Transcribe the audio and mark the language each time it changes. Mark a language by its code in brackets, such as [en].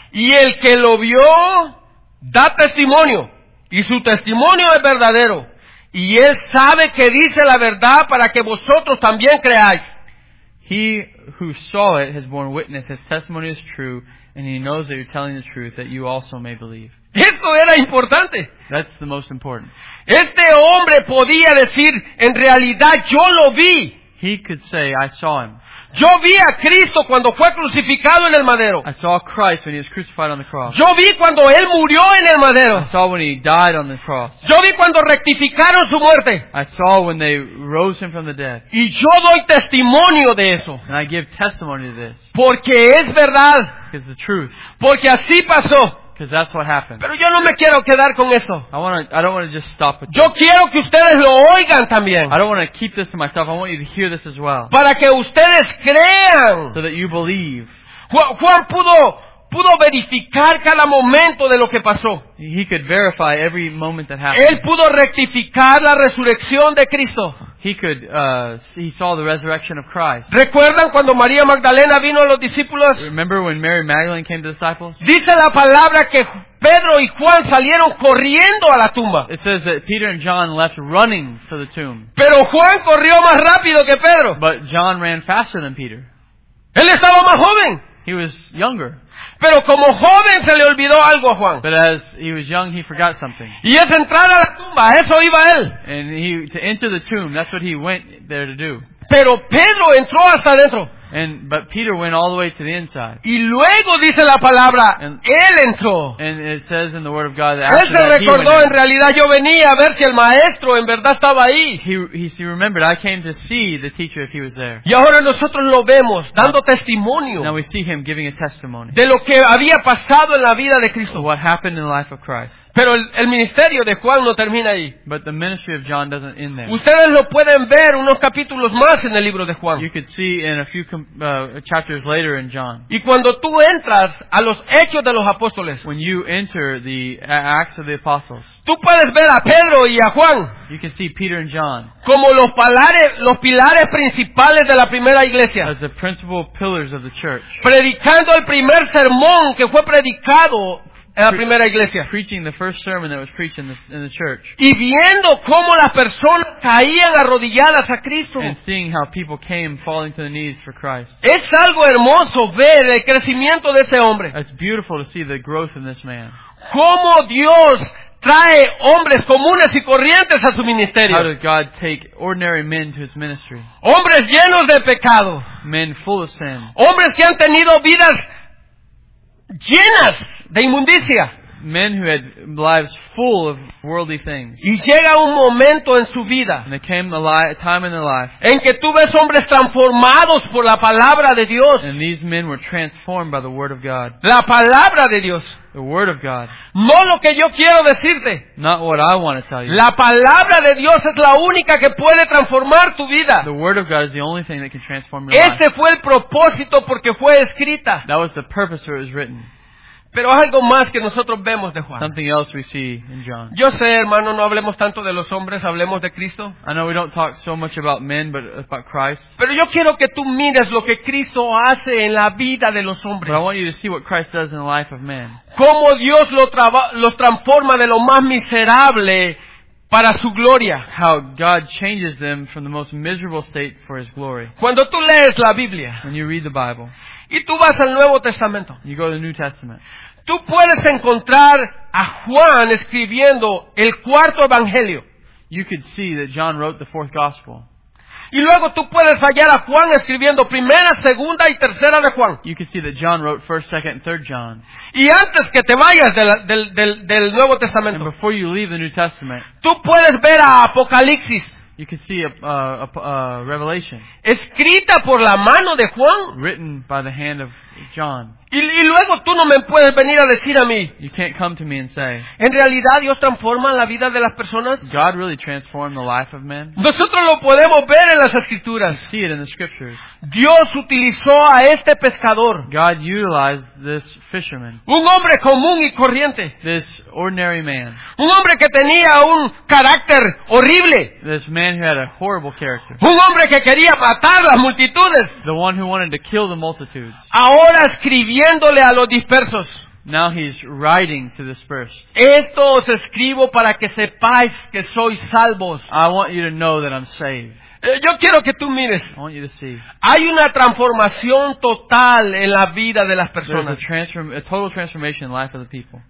[es] Y el que lo vio da testimonio, y su testimonio es verdadero, y él sabe que dice la verdad para que vosotros también creáis. [en] He who saw it has borne witness, his testimony is true. And he knows that you're telling the truth, that you also may believe. [es] Esto era importante. [en] That's the most important. [es] Este hombre podía decir, en realidad, yo lo vi. [en] He could say, I saw him. [es] Yo vi a Cristo cuando fue crucificado en el madero. [en] I saw Christ when he was crucified on the cross. [es] Yo vi cuando él murió en el madero. [en] I saw when he died on the cross. [es] Yo vi cuando rectificaron su muerte. [en] I saw when they rose him from the dead. [es] Y yo doy testimonio de eso. [en] And I give testimony to this. [es] Porque es verdad. [en] Because the truth. [es] Porque así pasó. [en] Because that's what happened. [es] Pero yo no me quiero quedar con eso. [en] I don't want to just stop with [es] yo [en] this. [es] Quiero que ustedes lo oigan también. [en] I don't want to keep this to myself. I want you to hear this as well. [es] Para que ustedes crean. [en] So that you believe. [es] Juan pudo verificar cada momento de lo que pasó. [en] He could verify every moment that happened. [es] Él pudo rectificar la resurrección de Cristo. [en] He saw the resurrection of Christ. [es] ¿Recuerdan cuando María Magdalena vino a los discípulos? [en] Remember when Mary Magdalene came to the disciples? [es] Dice la palabra que Pedro y Juan salieron corriendo a la tumba. [en] It says that Peter and John left running to the tomb. [es] Pero Juan corrió más rápido que Pedro. [en] But John ran faster than Peter. [es] Él estaba más joven. [en] He was younger. [es] Pero como joven se le olvidó algo a Juan. [en] But as he was young, he forgot something. [es] Y es entrar a la tumba, eso iba él. [en] And he to enter the tomb, that's what he went there to do. [es] Pero Pedro entró hasta adentro. [en] But Peter went all the way to the inside. [es] Y luego dice la palabra, él entró. [en] And it says in the word of God that after [es] él se recordó, en realidad yo venía a ver si el maestro en verdad estaba ahí. [en] He remembered, I came to see the teacher if he was there. [es] Y ahora nosotros lo vemos dando testimonio. [en] Now we see him giving a testimony. [es] De lo que había pasado en la vida de Cristo. [en] What happened in the life of Christ. [es] Pero el ministerio de Juan no termina ahí. [en] But the ministry of John doesn't end there. [es] Ustedes lo pueden ver unos capítulos más en el libro de Juan. [en] You could see in a few chapters later in John. [es] Y cuando tú entras a los hechos de los apóstoles, [en] when you enter the Acts of the Apostles, [es] tú puedes ver a Pedro y a Juan. [en] You can see Peter and John. [es] Como los pilares principales de la primera iglesia. [en] As the principal pillars of the church. [es] Predicando el primer sermón que fue predicado en la primera iglesia. [en] Preaching the first sermon that was preached in the church. [es] Y viendo cómo las personas caían arrodilladas a Cristo. [en] And seeing how people came falling to the knees for Christ. [es] Es algo hermoso ver el crecimiento de ese hombre. [en] It's beautiful to see the growth in this man. [es] Cómo Dios trae hombres comunes y corrientes a su ministerio. [en] How did God take ordinary men to his ministry? [es] Hombres llenos de pecado. [en] Men full of sin. [es] Hombres que han tenido vidas llenas de inmundicia. [en] Men who had lives full of worldly things. [es] Y llega un momento en su vida. [en] And there came a time in their life. [es] En que tú ves hombres transformados por la palabra de Dios. [en] And these men were transformed by the word of God. [es] La palabra de Dios. [en] The word of God. [es] No lo que yo quiero decirte. [en] Not what I want to tell you. [es] La palabra de Dios es la única que puede transformar tu vida. [en] The word of God is the only thing that can transform your life. [es] Este fue el propósito porque fue escrita. [en] That was the purpose for it was written. [es] Pero algo más que nosotros vemos de Juan. [en] Something else we see in John. [es] Yo sé, hermano, no hablemos tanto de los hombres, hablemos de Cristo. [en] I know we don't talk so much about men, but about Christ. [es] Pero yo quiero que tú mires lo que Cristo hace en la vida de los hombres. [en] But I want you to see what Christ does in the life of men. [es] Cómo Dios los transforma de lo más miserable para su gloria. [en] How God changes them from the most miserable state for his glory. [es] Cuando tú lees la Biblia. [en] When you read the Bible. [es] Y tú vas al Nuevo Testamento. [en] You go to the New Testament. [es] Tú puedes encontrar a Juan escribiendo el cuarto evangelio. [en] You could see that John wrote the fourth gospel. [es] Y luego tú puedes hallar a Juan escribiendo primera, segunda y tercera de Juan. [en] You could see that John wrote first, second, and third John. [es] Y antes que te vayas del Nuevo Testamento. [en] And before you leave the New Testament. [es] Tú puedes ver a Apocalipsis. [en] You can see a revelation. [es] Escrita por la mano de Juan. [en] Written by the hand of John. [es] Y luego tú no me puedes venir a decir a mí. [en] You can't come to me and say. [es] En realidad Dios transforma la vida de las personas. [en] God really transformed the life of men. [es] Nosotros lo podemos ver en las escrituras. [en] You see it in the scriptures. [es] Dios utilizó a este pescador. [en] God utilized this fisherman. [es] Un hombre común y corriente. [en] This ordinary man. [es] Un hombre que tenía un carácter horrible. [en] This man who had a horrible character. [es] Un hombre que quería matar las multitudes. [en] The one who wanted to kill the multitudes. [es] Ahora escribiéndole a los dispersos. [en] Now he's writing to dispersed. [es] Esto os escribo para que sepáis que sois salvos. [en] I want you to know that I'm saved. [es] Yo quiero que tú mires. [en] I want you to see. [es] Hay una transformación total en la vida de las personas. [en] There's a total transformation in the life of the people.